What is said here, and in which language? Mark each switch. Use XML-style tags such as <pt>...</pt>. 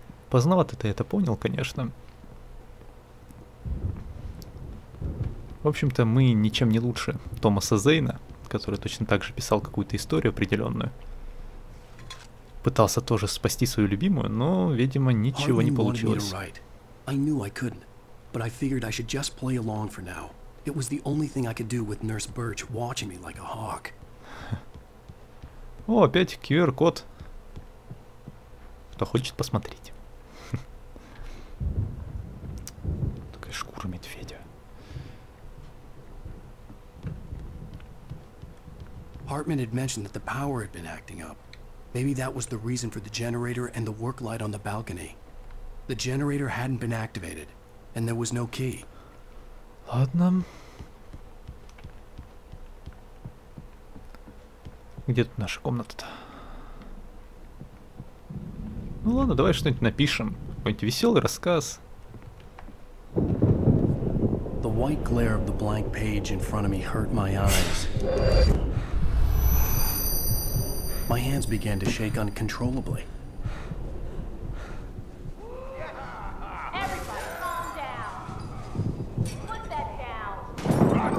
<ru>Поздновато ты это понял, конечно. В общем-то, мы ничем не лучше Томаса Зейна, который точно так же писал какую-то историю определенную. Пытался тоже спасти свою любимую, но, видимо, ничего не получилось.</ru> <en>I knew I couldn't, but I figured I should just play along for now. It was the only thing I could do with Nurse Birch watching me like a hawk.</en> <ru>О, опять QR-код. Кто хочет посмотреть? Такая шкура медведя.</ru> <en>Hartman had mentioned that the power had been acting up. Maybe that was the reason for the generator and the work light on the balcony. The generator hadn't been activated, and there was no key.</en> <ru>Ладно. Где тут наша комната-то? Ну ладно, давай что-нибудь напишем. Какой-нибудь веселый рассказ.</ru> <en>The white glare of the blank page in front of me hurt my eyes. My hands began to shake uncontrollably. Everybody calm down. Put that down.</en>